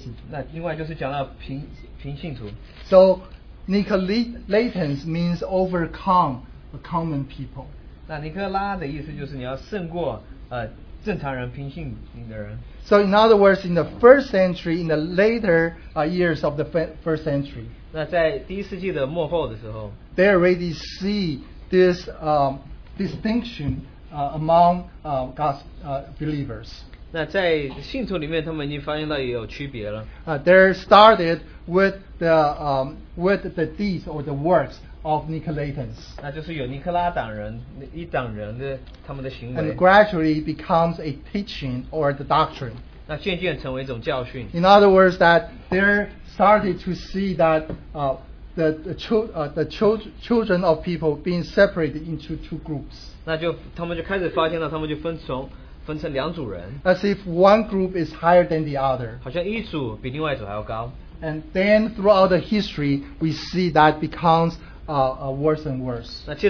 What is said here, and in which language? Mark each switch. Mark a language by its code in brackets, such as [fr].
[zh] 那另外就是讲到平信徒。 [en] So, Nicolaitans means overcome the common people. [zh] 那尼哥拉的意思就是你要胜过正常人平信的人。 [en] So in other words, in the first century, in the later years of the first century, [zh] 那在第一世纪的末后的时候, [en] they already see this distinction among God's believers. [zh] 那在信徒里面，他们已经发现到有区别了。 [en] They started with the deeds or the works of Nicolaitans. [zh] 那就是有尼克拉党人一党人的他们的行为。And [en] gradually becomes a teaching or the doctrine. [zh] 那渐渐成为一种教训。 [en] In other words, that they started to see that the children of people being separated into two groups. [zh] 那就他们就开始发现了，他们就分成。 [en] As if one group is higher than the other. And then throughout the history, we see that becomes worse and worse.